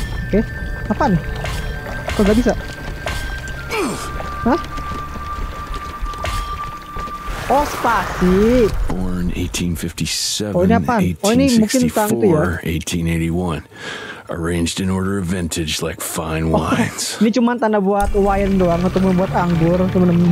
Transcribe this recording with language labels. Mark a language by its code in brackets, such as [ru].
[id] Oke, okay. Apaan? Kok gak bisa? Hah? Oh, spasi! [en] Born 1857, [id] oh ini apaan? [en] 1864, [id] oh ini mungkin tentang itu ya? [en] 1881. Arranged in order of vintage like fine wines. [id] Oh, ini cuma tanda buat wine doang untuk membuat anggur teman-teman.